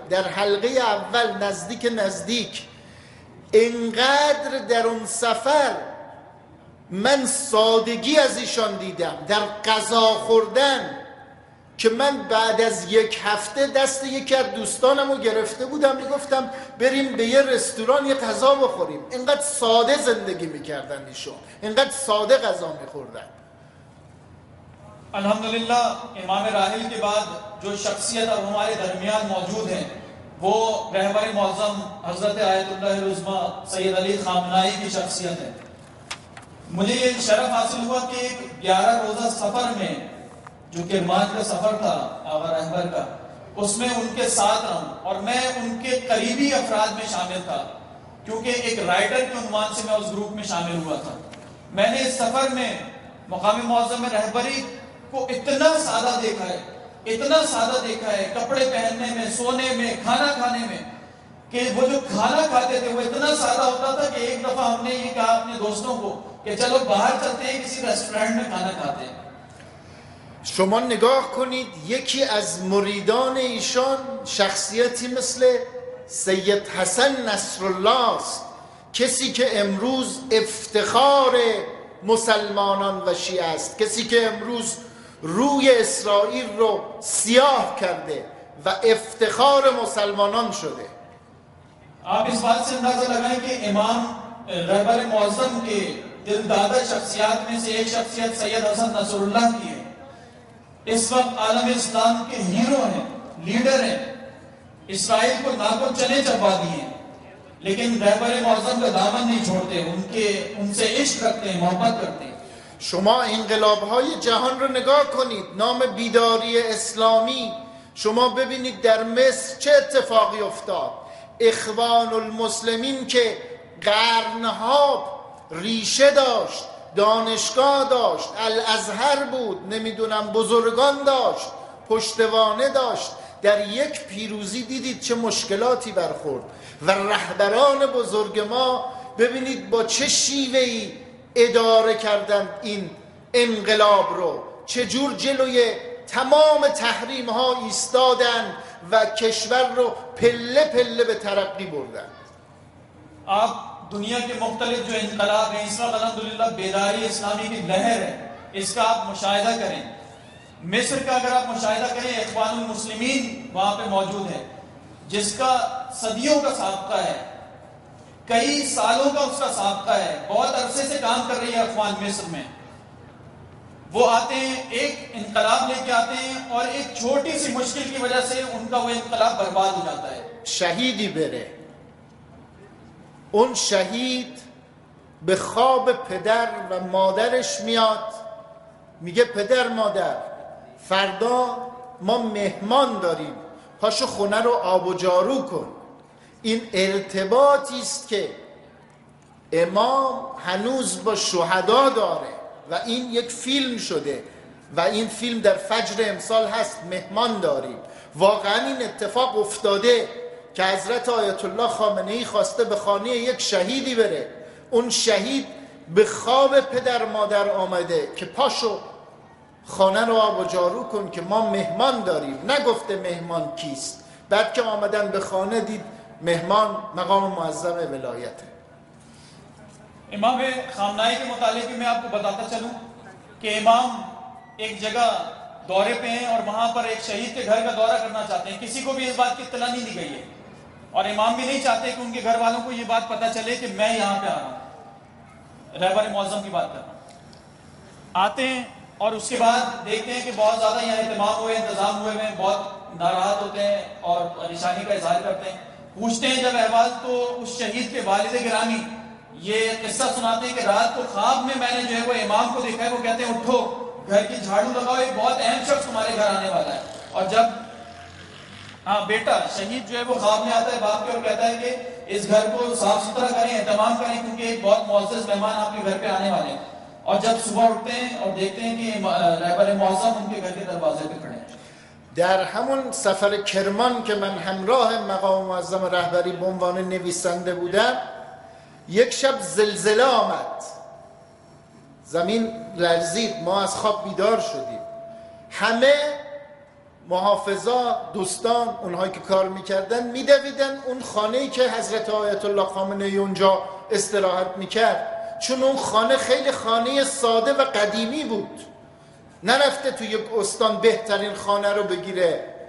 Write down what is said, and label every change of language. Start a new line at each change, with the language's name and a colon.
Persian: در حلقه اول نزدیک انقدر در اون سفر من سادگی از ایشان دیدم در غذا خوردن، که من بعد از یک هفته دست یکی از دوستانمو گرفته بودم، میگفتم بریم به یه رستوران یه غذا بخوریم. اینقدر ساده زندگی میکردن ایشون، اینقدر ساده غذا میخوردن.
Urdu: الحمدلله امام راحل کے بعد جو شخصیت اب ہمارے درمیان موجود ہیں وہ رہبر معظم حضرت آیت اللہ العظمى سید علی خامنائی کی شخصیت ہے. مجھے یہ شرف حاصل ہوا کہ 11 روزہ سفر میں، جو کہ مان کا سفر تھا آغا رہبر کا، اس میں ان کے ساتھ رہوں اور میں ان کے قریبی افراد میں شامل تھا، کیونکہ ایک رائٹر کے عنوان سے میں اس گروپ میں شامل ہوا تھا. میں نے اس سفر میں مقام معظم رہبری کو اتنا سادہ دیکھا ہے، اتنا سادہ دیکھا ہے کپڑے پہننے میں، سونے میں، کھانا کھانے میں، کہ وہ جو کھانا کھاتے تھے وہ اتنا سادہ ہوتا تھا کہ ایک دفعہ ہم نے یہ کہا اپنے دوستوں کو کہ چلو باہر چلتے ہیں کسی ریسٹورینٹ میں کھانا کھاتے ہیں.
Persian: شما نگاه کنید، یکی از مریدان ایشان شخصیتی مثل سید حسن نصرالله است، کسی که امروز افتخار مسلمانان و شیعه است، کسی که امروز روی اسرائیل رو سیاه کرده و افتخار مسلمانان شده.
Urdu: آپ اس بات سے اندازہ لگائیں کہ امام رہبر معظم کے دلدادہ شخصیات میں سے ایک شخصیت سید حسن نصرالله کی ہے. اس وقت عالم اسلام کے ہیرو ہیں، لیڈر ہیں، اسرائیل کو نہ تو چلے چپا دیے، لیکن رہبر معظم کا دامن نہیں چھوڑتے، ان سے عشق رکھتے ہیں، محبت کرتے ہیں.
Persian: شما انقلاب های جهان رو نگاه کنید، نام بیداری اسلامی، شما ببینید در مصر چه اتفاقی افتاد. اخوان المسلمین که قرنها ریشه داشت، دانشگاه داشت، الازهر بود، نمیدونم بزرگان داشت، پشتوانه داشت، در یک پیروزی دیدید چه مشکلاتی برخورد. و رهبران بزرگ ما ببینید با چه شیوهی اداره کردند این انقلاب رو، چجور جلوی تمام تحریم ها ایستادن و کشور رو پله پله به ترقی بردن.
Urdu: آپ دنیا کے مختلف جو انقلاب ہیں، اس وقت الحمدللہ بیداری اسلامی کی لہر ہے، اس کا آپ مشاہدہ کریں. مصر کا اگر آپ مشاہدہ کریں، اخوان المسلمین وہاں پہ موجود ہے جس کا صدیوں کا سابقہ ہے، کئی سالوں کا اس کا سابقہ ہے، بہت عرصے سے کام کر رہی ہے اخوان مصر میں. وہ آتے ہیں، ایک انقلاب لے کے آتے ہیں اور ایک چھوٹی سی مشکل کی وجہ سے ان کا وہ انقلاب برباد ہو جاتا ہے.
Persian: شہیدی بیرے، اون شهید به خواب پدر و مادرش میاد، میگه پدر مادر فردا ما مهمان داریم، پاشو خونه رو آب و جارو کن. این ارتباطی است که امام هنوز با شهدا داره و این یک فیلم شده و این فیلم در فجر امسال هست، مهمان داریم. واقعا این اتفاق افتاده که حضرت آیت الله خامنه ای خواسته به خانه یک شهیدی بره، اون شهید به خواب پدر مادر آمده که پاشو خانه رو آب و جارو کن که ما مهمان داریم. نگفته مهمان کیست، بعد که آمدن به خانه دید مهمان مقام معظم ولایته.
Urdu: امام خامنه‌ای کے متعلق میں آپ کو بتاتا چلوں کہ امام ایک جگہ دورے پہ ہیں اور وہاں پر ایک شہید کے گھر کا دورہ کرنا چاہتے ہیں. کسی کو بھی اس بات کی اطلاع نہیں دی گئی ہے اور امام بھی نہیں چاہتے کہ ان کے گھر والوں کو یہ بات پتا چلے کہ میں یہاں پہ آ رہا ہوں. رہبر معظم کی بات کر رہا ہوں. آتے ہیں اور اس کے بعد دیکھتے ہیں کہ بہت زیادہ یہاں اہتمام ہوئے، انتظام ہوئے ہیں، بہت ناراحت ہوتے ہیں اور پریشانی کا اظہار کرتے ہیں. پوچھتے ہیں جب احوال تو اس شہید کے والد گرامی یہ قصہ سناتے ہیں کہ رات کو خواب میں میں نے جو ہے وہ امام کو دیکھا ہے. وہ کہتے ہیں اٹھو، گھر کی جھاڑو لگاؤ، ایک بہت اہم شخص تمہارے گھر آنے والا ہے. اور جب ہاں بیٹا شہید جو ہے وہ خواب میں آتا ہے باپ کے اور کہتا ہے کہ اس گھر کو صاف ستھرا کریں، اہتمام کریں، کیونکہ ایک بہت معزز مہمان آپ کے گھر پہ آنے والے ہیں. اور جب صبح اٹھتے ہیں اور دیکھتے ہیں کہ رہبر معظم ان کے گھر کے دروازے پہ کھڑے ہیں.
Persian: در همون سفر کرمان که من همراه مقام معظم رهبری به عنوان نویسنده بودم، یک شب زلزله آمد. زمین لرزید، ما از خواب بیدار شدیم. همه محافظا، دوستان، اونهایی که کار میکردن میدویدن اون خانه‌ای که حضرت آیت الله خامنه‌ای اونجا استراحت میکرد، چون اون خانه خیلی خانه ساده و قدیمی بود، نرفته توی یک استان بهترین خانه رو بگیره.